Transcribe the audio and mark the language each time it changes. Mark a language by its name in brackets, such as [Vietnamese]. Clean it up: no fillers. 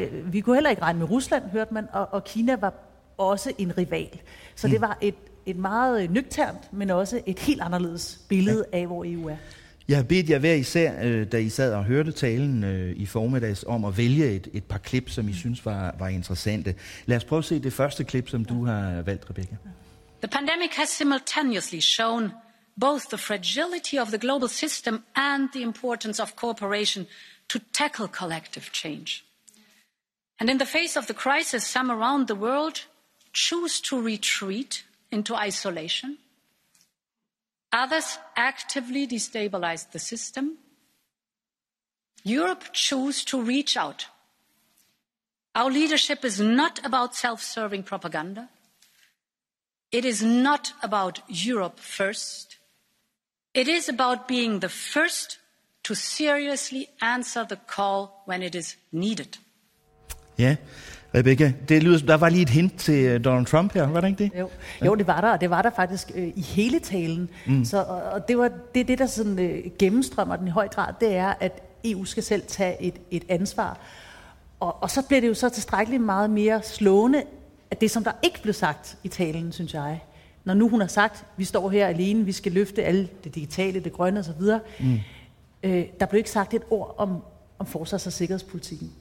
[Danish] Vi kunne heller ikke regne med Rusland, hørte man, og Kina var også en rival. Så det var et meget nøgternt, men også et helt anderledes billede af, hvor EU er. Jeg har bedt jer hver især, da I sad og hørte talen i formiddags, om at vælge et par klip, som I synes var interessante. Lad os prøve at se det første klip, som du har valgt, Rebecca. [English] The pandemic has simultaneously shown both the fragility of the global system and the importance of cooperation to tackle collective change. And in the face of the crisis, some around the world choose to retreat into isolation. Others actively destabilize the system. Europe choose to reach out. Our leadership is not about self-serving propaganda. It is not about Europe first. It is about being the first to seriously answer the call when it is needed. [Danish] Ja, Rebecca, det lyder, der var lige et hint til Donald Trump her, var det ikke det? Jo, det var der, og det var der faktisk i hele talen. Mm. Så, og det var det der sådan, gennemstrømmer den i høj grad, det er, at EU skal selv tage et ansvar. Og så bliver det jo så tilstrækkeligt meget mere slående, at det, som der ikke blev sagt i talen, synes jeg, når nu hun har sagt, vi står her alene, vi skal løfte alle det digitale, det grønne osv., der blev ikke sagt et ord om forsvars- og sikkerhedspolitikken.